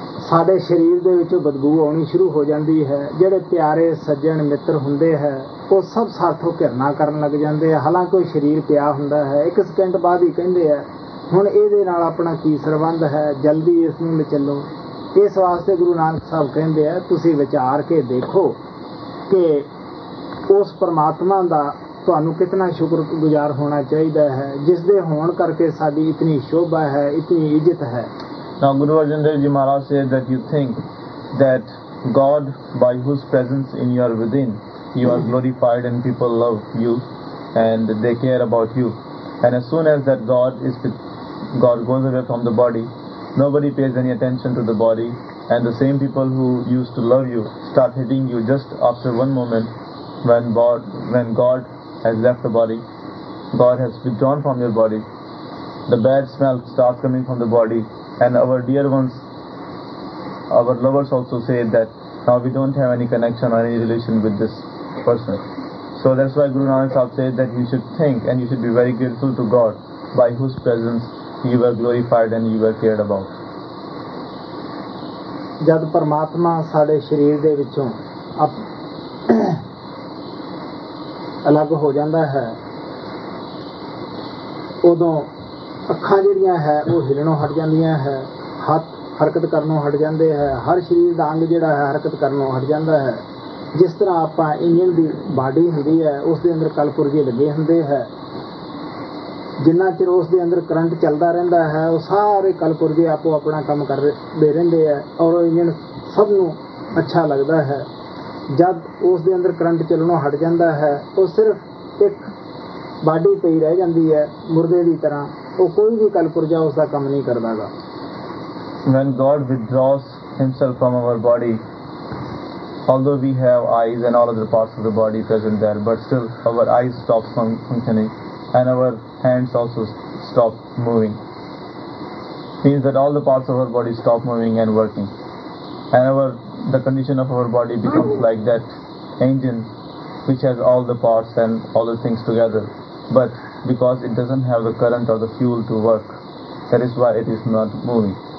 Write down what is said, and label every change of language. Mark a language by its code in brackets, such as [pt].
[pa] ਸਾਡੇ ਸਰੀਰ ਦੇ ਵਿੱਚੋਂ ਬਦਬੂ ਆਉਣੀ ਸ਼ੁਰੂ ਹੋ ਜਾਂਦੀ ਹੈ, ਜਿਹੜੇ ਪਿਆਰੇ ਸੱਜਣ ਮਿੱਤਰ ਹੁੰਦੇ ਹੈ ਉਹ ਸਭ ਸਾਥੋਂ ਘਿਰਨਾ ਕਰਨ ਲੱਗ ਜਾਂਦੇ ਆ, ਹਾਲਾਂਕਿ ਉਹ ਸਰੀਰ ਪਿਆ ਹੁੰਦਾ ਹੈ, ਇੱਕ ਸਕਿੰਟ ਬਾਅਦ ਹੀ ਕਹਿੰਦੇ ਆ ਹੁਣ ਇਹਦੇ ਨਾਲ ਆਪਣਾ ਕੀ ਸੰਬੰਧ ਹੈ, ਜਲਦੀ ਇਸ ਨੂੰ ਮਚਲੋ। ਇਸ ਵਾਸਤੇ ਗੁਰੂ ਨਾਨਕ ਸਾਹਿਬ ਕਹਿੰਦੇ ਆ, ਤੁਸੀਂ ਵਿਚਾਰ ਕੇ ਦੇਖੋ ਕਿ ਉਸ ਪਰਮਾਤਮਾ ਦਾ ਤੁਹਾਨੂੰ ਕਿਤਨਾ ਸ਼ੁਕਰਗੁਜ਼ਾਰ ਹੋਣਾ ਚਾਹੀਦਾ ਹੈ, ਜਿਸ ਦੇ ਹੋਣ ਕਰਕੇ ਸਾਡੀ ਇਤਨੀ ਸ਼ੋਭਾ ਹੈ, ਇਤਨੀ ਇੱਜ਼ਤ ਹੈ। [en] Now Guru Arjan Dev Ji Maharaj said that you think that God, by whose presence in your within you are glorified and people love you and they care about you, and as soon as that God is God goes away from the body, nobody pays any attention to the body, and the same people who used to love you start hitting you just after one moment when God has left the body, God has withdrawn from your body, the bad smell starts coming from the body. And our dear ones, our lovers also say that now we don't have any connection or any relation with this person. So that's why Guru Nanak Sahib said that you should think and you should be very grateful to God by whose presence you were glorified and you were cared about. [pa] Jad Paramatma sade shareer de vichon alag ho janda hai, odon ਅੱਖਾਂ ਜਿਹੜੀਆਂ ਹੈ ਉਹ ਹਿਲਣੋਂ ਹਟ ਜਾਂਦੀਆਂ ਹੈ, ਹੱਥ ਹਰਕਤ ਕਰਨੋਂ ਹਟ ਜਾਂਦੇ ਹੈ, ਹਰ ਸਰੀਰ ਦਾ ਅੰਗ ਜਿਹੜਾ ਹੈ ਹਰਕਤ ਕਰਨੋਂ ਹਟ ਜਾਂਦਾ ਹੈ। ਜਿਸ ਤਰ੍ਹਾਂ ਆਪਾਂ ਇੰਜਨ ਦੀ ਬਾਡੀ ਹੁੰਦੀ ਹੈ ਉਸਦੇ ਅੰਦਰ ਕਲਪੁਰਜੇ ਲੱਗੇ ਹੁੰਦੇ ਹੈ, ਜਿੰਨਾ ਚਿਰ ਉਸਦੇ ਅੰਦਰ ਕਰੰਟ ਚੱਲਦਾ ਰਹਿੰਦਾ ਹੈ ਉਹ ਸਾਰੇ ਕਲਪੁਰਜੇ ਆਪੋ ਆਪਣਾ ਕੰਮ ਕਰਦੇ ਰਹਿੰਦੇ ਹੈ, ਔਰ ਉਹ ਇੰਜਨ ਸਭ ਨੂੰ ਅੱਛਾ ਲੱਗਦਾ ਹੈ। ਜਦ ਉਸਦੇ ਅੰਦਰ ਕਰੰਟ ਚੱਲਣੋਂ ਹਟ ਜਾਂਦਾ ਹੈ ਉਹ ਸਿਰਫ ਇੱਕ ਬਾਡੀ ਪਈ ਰਹਿ ਜਾਂਦੀ ਹੈ ਮੁਰਦੇ ਦੀ ਤਰ੍ਹਾਂ, ਉਹ ਕੋਈ ਵੀ ਕਲਪੁਰਜਾ ਉਸਦਾ ਕੰਮ ਨਹੀਂ ਕਰਦਾ ਗਾ। [en] When God withdraws himself from our body, although we have eyes and all other parts of the body present there, but still our eyes stop functioning and our hands also stop moving. Means that all the parts of our body stop moving and working. And the condition of our body becomes like that engine which has all the parts and all the things together, but because it doesn't have the current or the fuel to work, that is why it is not moving.